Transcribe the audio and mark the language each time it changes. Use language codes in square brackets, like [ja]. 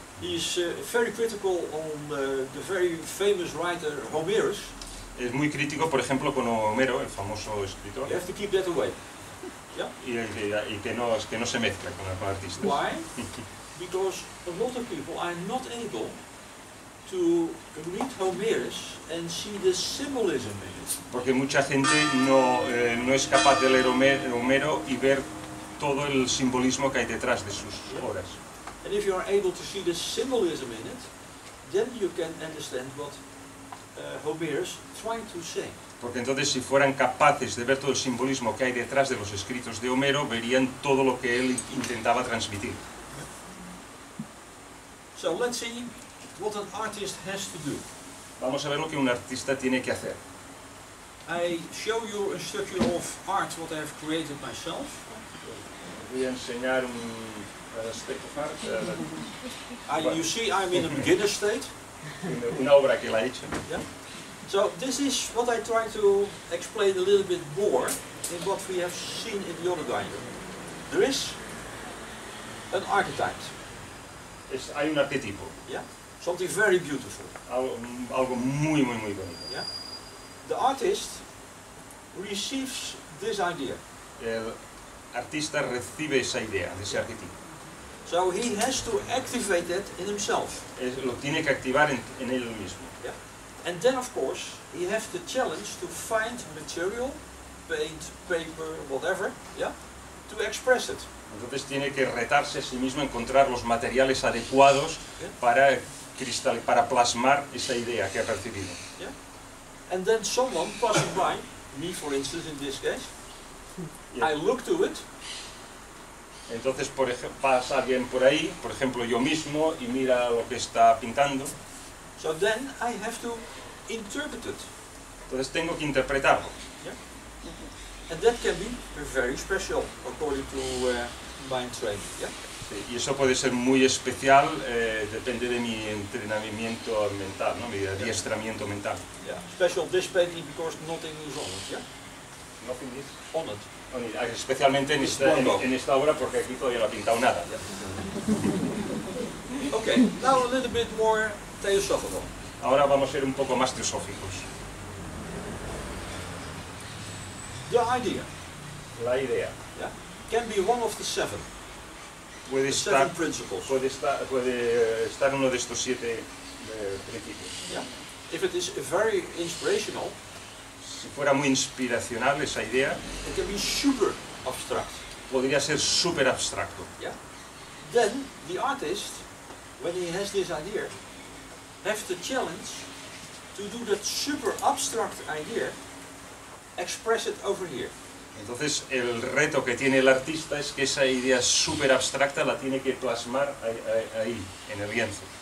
[en] He's very critical on the very famous writer Homerus. [es] Es muy crítico, por ejemplo, con Homero, el famoso escritor. [en] You have to keep that away. Yeah. [es] Y que no se mezcla con el artista. [en] Why? Because a lot of people are not able to read Homerus and see the symbolism in it. [es] Porque mucha gente no es capaz de leer Homero y ver todo el simbolismo que hay detrás de sus obras. [en] And if you are able to see the symbolism in it, then you can understand what Homerus trying to say. [es] Porque entonces si fueran capaces de ver todo el simbolismo que hay detrás de los escritos de Homero, verían todo lo que él intentaba transmitir. [en] So let's see what an artist has to do. [es] Vamos a ver lo que un artista tiene que hacer. [en] I show you a structure of art what I have created myself. [es] Voy a enseñar un aspecto de arte. [en] You see I'm in a beginner state. [es] Una obra que la he hecho. [en] Yeah? So this is what I try to explain a little bit more in what we have seen in the other diagram. There is an archetype. [es] Hay un arquetipo. [en] Yeah? Something very beautiful. [es] Algo muy, muy, muy bonito. [en] Yeah? The artist receives this idea. [es] El artista recibe esa idea, ese arquetipo. [en] So he has to activate it in himself. [es] Lo tiene que activar en él mismo. [en] And then, of course, he has the challenge to find material, paint, paper, whatever, yeah, to express it. [es] Entonces tiene que retarse a sí mismo encontrar los materiales adecuados para plasmar esa idea que ha percibido. [en] Yeah. And then someone passing by, me for instance in this case, yeah. I look to it. [es] Entonces pasa alguien por ahí, por ejemplo yo mismo, y mira lo que está pintando. [en] So then I have to interpret it. [es] Entonces tengo que interpretarlo. [en] Yeah? And that can be very special according to my training. Yeah? [es] Sí, y eso puede ser muy especial, depende de mi entrenamiento mental, ¿no? Mi adiestramiento mental. [en] Yeah. Special this painting because nothing is on it. Yeah? Nothing is on it. [es] Especialmente en esta obra porque aquí todavía no ha pintado nada. [en] Yeah. Okay, now a little bit more. [es] Ahora vamos a ser un poco más teosóficos. La idea. [en] Yeah? Can be one of the seven. [es] Puede estar. Puede estar uno de estos siete principios. [en] Yeah? If it is very inspirational. [es] Si fuera muy inspiracional esa idea. [en] It can be super abstract. [es] Podría ser super abstracto. [en] Yeah? Then the artist, when he has this idea. Have the challenge to do that super abstract idea, express it over here. [es] Entonces el reto que tiene el artista es que esa idea super abstracta la tiene que plasmar ahí, en el lienzo.